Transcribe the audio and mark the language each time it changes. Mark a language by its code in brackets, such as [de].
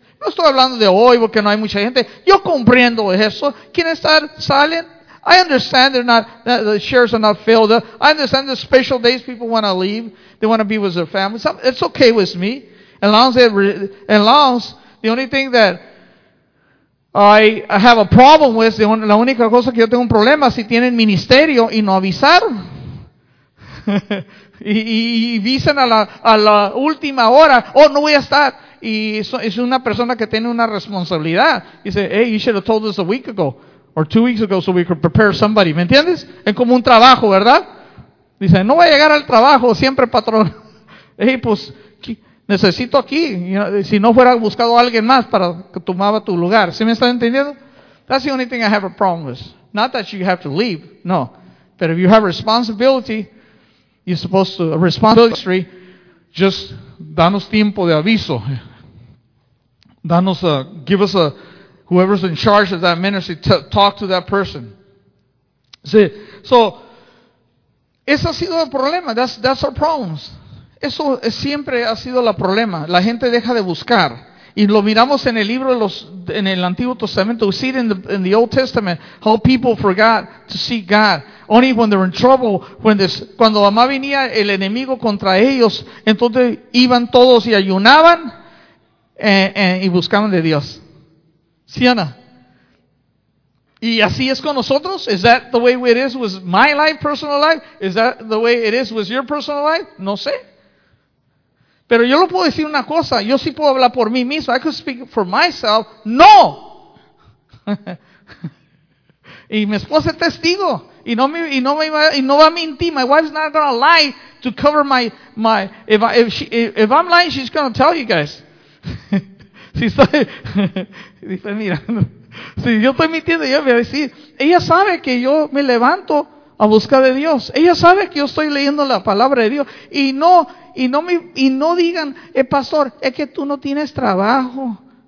[es] No estoy hablando de hoy porque no hay mucha gente. Yo comprendo eso. ¿Quieren estar silent? [en] I understand they're not, that the chairs are not filled. I understand the special days people want to leave. They want to be with their family. It's okay with me. As long as the only thing that I have a problem with, [es] la única cosa que yo tengo un problema, si tienen ministerio y no avisaron. y avisan a la última hora, oh, no voy a estar. Y es una persona que tiene una responsabilidad. [en] Dice, hey, you should have told us a week ago or 2 weeks ago so we could prepare somebody. [es] ¿Me entiendes? Es como un trabajo, ¿verdad? Dice, no voy a llegar al trabajo, siempre patrón. Hey, pues, necesito aquí. Si no fuera buscado a alguien más para que tomaba tu lugar. ¿Sí me están entendiendo? [en] That's the only thing I have a problem with. Not that you have to leave, no. But if you have responsibility, you're supposed to, a responsibility, just [es] danos tiempo de aviso. [en] Give us a, whoever's in charge of that ministry, talk to that person. [es] See, so, ese ha sido el problema. [en] That's our problems. [es] Eso siempre ha sido el problema. La gente deja de buscar. Y lo miramos en el libro de los, en el Antiguo Testamento. [en] We see it in the Old Testament, how people forgot to seek God. Only when they were in trouble, [es] cuando mamá venía el enemigo contra ellos, entonces iban todos y ayunaban y buscaban de Dios. ¿Sí, Ana? ¿Y así es con nosotros? [en] ¿Is that the way it is with my life, personal life? ¿Is that the way it is with your personal life? [es] No sé. Pero yo lo puedo decir una cosa, yo sí puedo hablar por mí mismo. [en] I could speak for myself. ¡No! [es] Y mi esposa es testigo. Y no va a mentir. [en] My wife's not gonna lie to cover my. If I'm lying, she's gonna tell you guys. [es] Si estoy, dice mirando. Si yo estoy mintiendo, ella me va a decir. Ella sabe que yo me levanto a buscar de Dios. Ella sabe que yo estoy leyendo la palabra de Dios. Y no digan, pastor, es que tú no tienes trabajo.